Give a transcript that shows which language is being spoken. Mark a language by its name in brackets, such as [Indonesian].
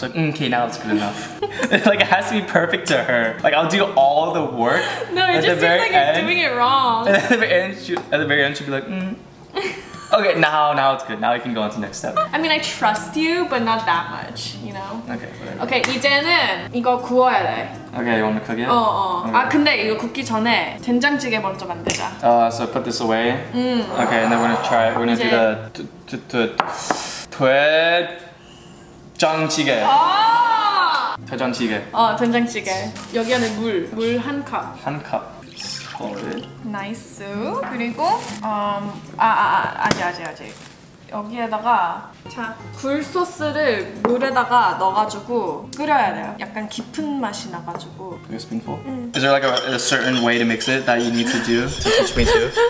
[English] Like, okay, now it's good enough. Like it has to be perfect to her. Like I'll do all the work. No, it just seems like you're doing it wrong. And at the very end, she'll be like, Okay, now it's good. Now we can go on to the next step. I mean, I trust you, but not that much, you know? Okay, whatever. [Korean] Okay, 이제는 이거 구워야 돼. [English] Okay, you want to cook it? [Korean] 아, 근데 이거 굽기 전에 된장찌개 먼저 만들자. [English] So put this away? Okay, and then we're gonna try it. We're gonna do the... 된장찌개. 된장찌개. [Korean] 된장찌개. 여기 안에 물. 물 한 컵. 한 컵. solid. Nice. 그리고 아직. 여기에다가 자 굴 소스를 물에다가 넣어가지고 끓여야 돼요. 약간 깊은 맛이 나가지고. [English] Like a spoonful? 응. Is there like a certain way to mix it that you need to do to teach me too?